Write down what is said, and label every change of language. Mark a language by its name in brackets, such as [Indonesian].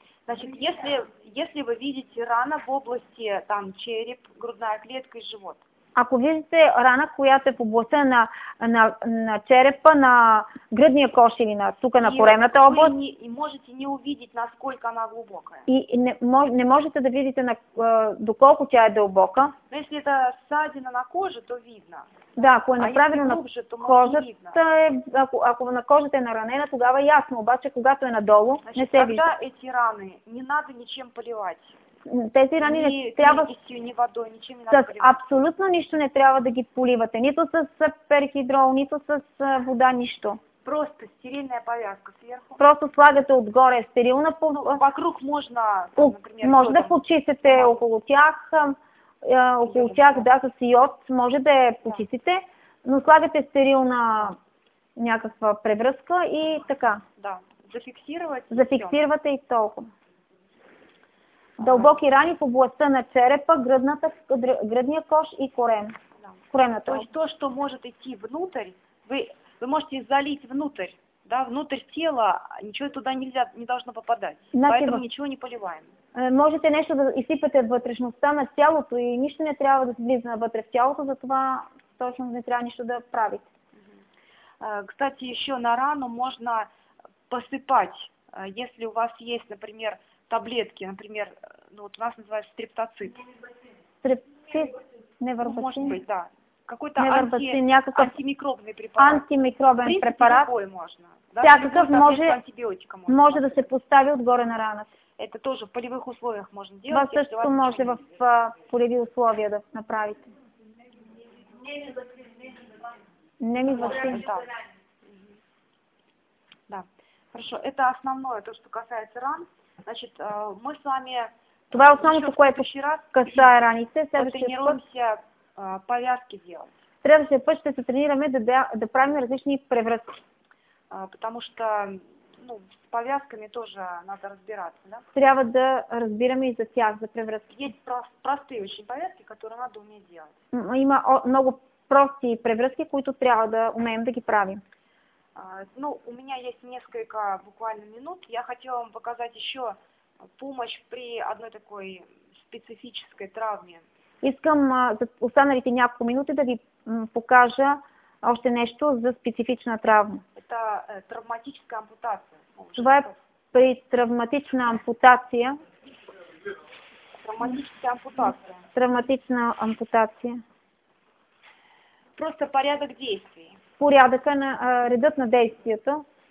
[Russian] Значит, если вы видите рана в области там череп, грудная клетка и живот. [Bulgarian] Ако видите рана, която е в областта на черепа, на гръдния кош или на коремната област. [Russian] И можете не увидеть, насколько она глубокая. [Bulgarian] И не можете да видите доколко тя е дълбока. [Russian] Но если это ссадина на коже, то видно. [Bulgarian] Да, ако е направено [Russian] глубже, [Bulgarian] на кожата, ако на кожата е наранена, тогава ясно. Обаче, когато е надолу, [Russian] значит, [Bulgarian] не се вижда. [Russian] Тогда эти раны не надо ничем поливать. [Bulgarian] Тези рани не трябва [Russian] ни водой, ни [Bulgarian] с абсолютно нищо не трябва да ги поливате. Нито с перхидрол, нито с вода, нищо. [Russian] Просто стерилна повязка сверху. [Bulgarian] Просто слагате отгоре стерилна [Russian] повязка. Вокруг можна, [Bulgarian] може да почистите около тях, около тях, да, с йод, може да я почистите, но слагате стерилна някаква превръзка и така. Да, зафиксирувате. Зафиксирвате и толкова. Дълбоки рани в областта на черепа, гръдния кош и корем. Да. Коремната. [Russian] То есть то, что может идти внутрь, вы можете залить внутрь, да, внутрь тела, ничего туда нельзя, не должно попадать. Значит, поэтому ничего не поливаем. [Bulgarian] Можете нечто да изсипете вътрешността на тялото и нищо не трябва да влиза вътре в тялото, затова точно не трябва нищо да правите. [Russian] Кстати, еще на рану можно посыпать, если у вас есть, например, таблетки, например, ну вот у нас называется стрептоцит. Стрептоцит? Невербацин? Может быть, да. Какой-то антимикробный препарат. [Bulgarian] Антимикробен препарат. [Russian] В принципе, любой можно. Да? [Bulgarian] Всякаков Може да се постави отгоре на раната. [Russian] Это тоже в полевых условиях можно делать. [Bulgarian] Вас също може в полеви условия да направите. Невербацин. [Russian] Да. Хорошо. Это основное, то, что касается ран. Значит, мы с вами [Bulgarian] това е основното, което касае раните. [Russian] Тренируемся повязки делать. [Bulgarian] Следващия път ще се тренираме да правим различни превръзки. [Russian] Потому что с повязками тоже надо разбираться. Да? [Bulgarian] Трябва да разбираме и за тях, за превръзки. [Russian] Есть простые очень повязки, которые надо уметь делать. [Bulgarian] Има много прости превръзки, които трябва да умеем да ги правим. [Russian] Ну, у меня есть несколько буквально минут. Я хотела вам показать еще помощь при одной такой специфической травме. [Bulgarian] Искам за останалите няколко минути да ви покажа още нещо за специфична травма. [Russian] Это травматическая ампутация. [Bulgarian] Това е при травматична ампутация. [Russian] Травматическая ампутация. [Bulgarian] Травматична ампутация. [Russian] Просто порядок действий. [Bulgarian] Порядъка на редът на действията.